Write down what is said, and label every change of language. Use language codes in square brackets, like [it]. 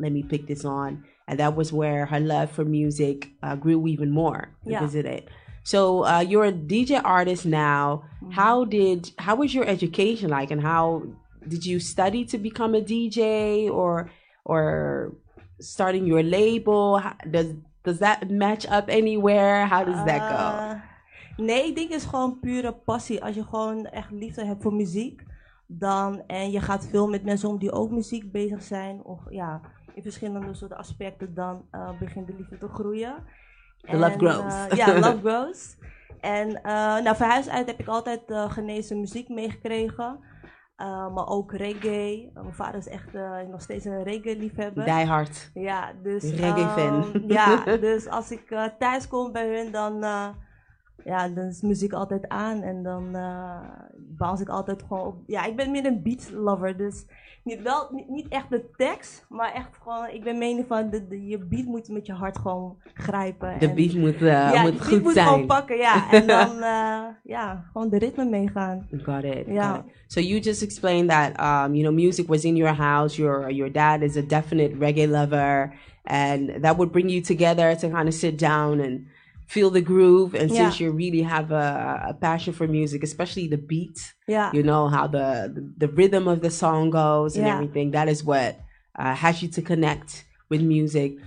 [en] Let me pick this on. And that was where her love for music grew even more. So you're a DJ artist now. Mm-hmm. How was your education like? And how did you study to become a DJ or starting your label? Does that match up anywhere? How does that go? [nl] Nee, ik denk het is gewoon pure passie. Als je gewoon echt liefde hebt voor muziek. Dan, en je gaat veel met mensen om die ook muziek bezig zijn. Of ja, in verschillende soorten aspecten. Dan begint de liefde te groeien. [en] The love grows. Ja, love grows. [nl] En nou, van huis uit heb ik altijd Ghanese muziek meegekregen. Maar ook reggae. Mijn vader is echt nog steeds een reggae liefhebber. [en] Die hard. [nl] Ja, dus... [en] Reggae fan. [nl] Ja, dus als ik thuis kom bij hun, dan... Ja, dan is muziek altijd aan en dan bounce ik altijd gewoon op. Ja, ik ben meer een beat lover, dus niet echt de tekst, maar echt gewoon, ik ben mening van, je beat moet met je hart gewoon grijpen. De beat moet goed zijn. Ja, moet die beat moet zijn. Gewoon pakken, ja. En dan, ja, gewoon de ritme meegaan. [en] Got it, ja. Got it. So you just explained that, you know, music was in your house, your dad is a definite reggae lover, and that would bring you together to kind of sit down and feel the groove, and since you really have a passion for music, especially the beat, you know, how the rhythm of the song goes and everything, that is what has you to connect with music.